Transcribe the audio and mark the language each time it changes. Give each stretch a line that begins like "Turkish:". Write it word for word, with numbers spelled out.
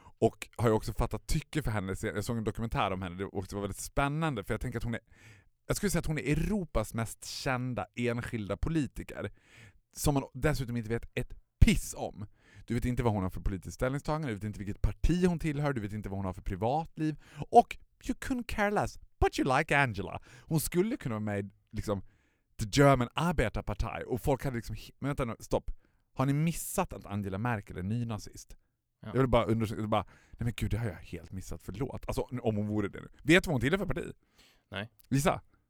Swedish: Och har ju också fattat tycke för henne. Jag såg en dokumentär om henne och det var väldigt spännande. För jag tänker att hon är... Jag skulle säga att hon är Europas mest kända enskilda politiker. Som man dessutom inte vet ett piss om. Du vet inte vad hon har för politiskt ställningstagande. Du vet inte vilket parti hon tillhör. Du vet inte vad hon har för privatliv. Och...
English: You couldn't care less, but you like Angela.
Swedish: Hon skulle kunna vara med liksom The German Arbeiterpartei och folk hade liksom... Men vänta nu, stopp. Har ni missat att Angela Merkel är ny nazist? Ja. Jag vill bara undersöka, bara, nej men gud, det har jag helt missat, förlåt. Alltså om hon vore det nu. Vet du vad hon tillhör för parti? Nej. Lisa?